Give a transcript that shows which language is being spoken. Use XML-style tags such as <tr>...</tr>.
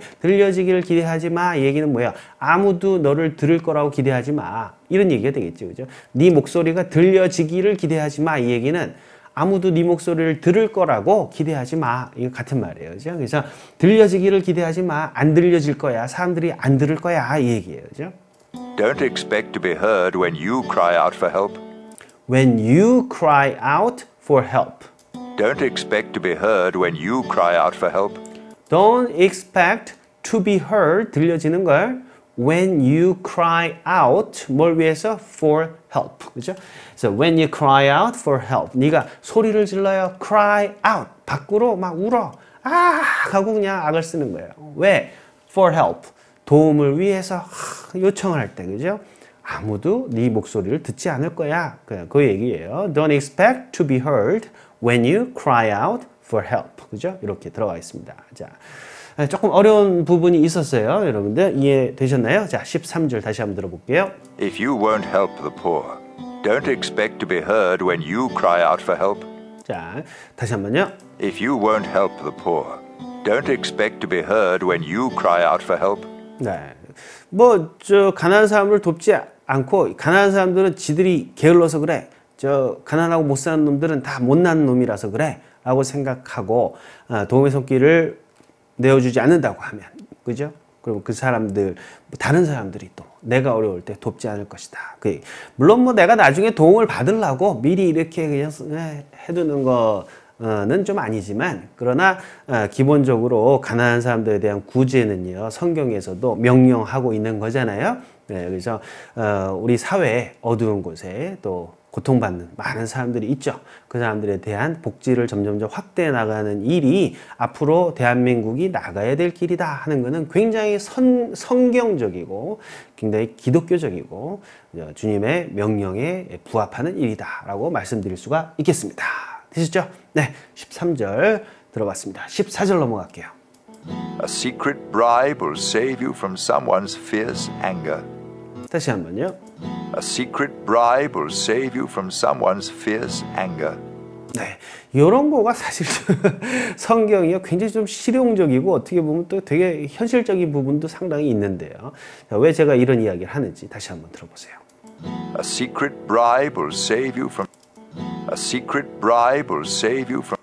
<ko>들려지기를 기대하지 마. 이 얘기는 뭐예요? 아무도 너를 들을 거라고 기대하지 마. 이런 얘기가 되겠죠. 그죠? 네 목소리가 들려지기를 기대하지 마. 이 얘기는 아무도 네 목소리를 들을 거라고 기대하지 마. 이거 같은 말이에요. 그죠? 그래서 들려지기를 기대하지 마. 안 들려질 거야. 사람들이 안 들을 거야. 이 얘기예요. 그죠?</ko> <en>Don't expect to be heard when you cry out for help. When you cry out for help. Don't expect to be heard when you cry out for help. Don't expect to be heard</en> <ko>들려지는 걸</ko> <en>when you cry out</en> <ko>뭘 위해서</ko> <en>for help</en> <ko>그렇죠?</ko> <en>So when you cry out for help,</en> <ko>네가 소리를 질러요,</ko> <en>cry out</en> <ko>밖으로 막 울어, 아 하고 그냥 악을 쓰는 거예요. 왜?</ko> <en>For help</en> <ko>도움을 위해서 요청을 할 때 그죠? 아무도 네 목소리를 듣지 않을 거야. 그 얘기예요.</ko> <en>Don't expect to be heard when you cry out for help.</en> <ko>그죠? 이렇게 들어가 있습니다. 자, 조금 어려운 부분이 있었어요. 여러분들 이해되셨나요? 자, 13절 다시 한번 들어볼게요.</ko> <en>If you won't help the poor, don't expect to be heard when you cry out for help.</en> <ko>자, 다시 한번요.</ko> <en>If you won't help the poor, don't expect to be heard when you cry out for help.</en> <ko>네. 뭐 저 가난한 사람을 돕지 않고 가난한 사람들은 지들이 게을러서 그래. 저 가난하고 못 사는 놈들은 다 못난 놈이라서 그래라고 생각하고 도움의 손길을 내어 주지 않는다고 하면 그죠? 그럼 그 사람들 다른 사람들이 또 내가 어려울 때 돕지 않을 것이다. 그 물론 뭐 내가 나중에 도움을 받으려고 미리 이렇게 그냥 해 두는 거 는 좀 아니지만 그러나 기본적으로 가난한 사람들에 대한 구제는요 성경에서도 명령하고 있는 거잖아요. 네, 그래서 우리 사회 어두운 곳에 또 고통받는 많은 사람들이 있죠. 그 사람들에 대한 복지를 점점점 확대해 나가는 일이 앞으로 대한민국이 나가야 될 길이다 하는 것은 굉장히 성경적이고 굉장히 기독교적이고 주님의 명령에 부합하는 일이다 라고 말씀드릴 수가 있겠습니다. 되셨죠? 네, 13절 들어봤습니다. 14절 넘어갈게요.</ko> <en>A secret bribe will save you from someone's fierce anger.</en> <ko>다시 한번요.</ko> <en>A secret bribe will save you from someone's fierce anger.</en> <ko>네, 이런 거가 사실 성경이 굉장히 좀 실용적이고 어떻게 보면 또 되게 현실적인 부분도 상당히 있는데요. 자, 왜 제가 이런 이야기를 하는지 다시 한번 들어보세요.</ko> <en>A secret bribe will save you from A secret bribe will save you from</en>